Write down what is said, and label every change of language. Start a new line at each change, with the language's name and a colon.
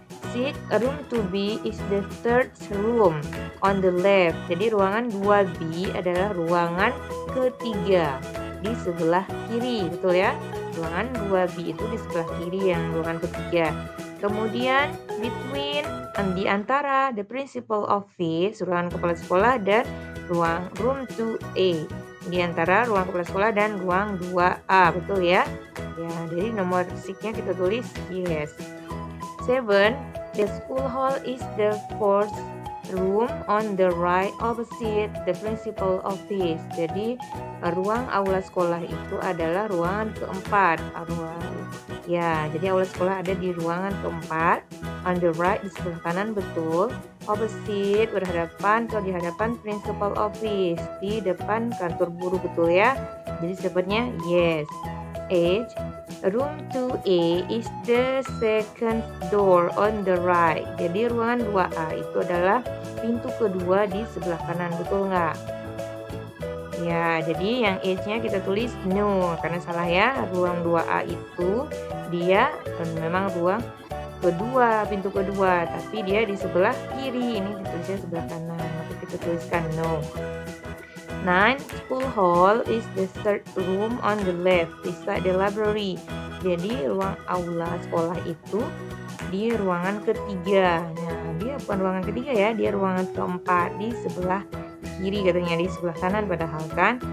English: Sit room 2B is the third room on the left.
Indonesian: Jadi ruangan 2B adalah ruangan ketiga di sebelah kiri, betul ya? Ruangan 2B itu di sebelah kiri yang ruangan ketiga. Kemudian between, di antara
English: the principal office,
Indonesian: ruangan kepala sekolah, dan room 2A, di antara ruang kepala sekolah dan ruang 2A, betul ya? Ya, jadi nomor siknya kita tulis yes.
English: 7, the school hall is the fourth room on the right opposite the principal office.
Indonesian: Jadi ruang aula sekolah itu adalah ruangan keempat. Ya, jadi aula sekolah ada di ruangan keempat,
English: on the right,
Indonesian: di sebelah kanan, betul. Opposite, berhadapan atau di hadapan
English: principal office,
Indonesian: di depan kantor guru, betul ya? Jadi sebenarnya yes.
English: 8, room 2A is the second door on the right.
Indonesian: Jadi ruangan 2A itu adalah pintu kedua di sebelah kanan, betul nggak? Ya, jadi yang 8-nya kita tulis no, karena salah ya. Ruang 2A itu dia memang ruang kedua, pintu kedua, tapi dia di sebelah kiri, ini ditulisnya sebelah kanan, maka kita tuliskan no.
English: 9, school hall is the third room on the left beside the library.
Indonesian: Jadi ruang aula sekolah itu di ruangan ketiga. Nah, dia bukan ruangan ketiga ya, dia ruangan keempat di sebelah kiri, katanya di sebelah kanan padahal kan.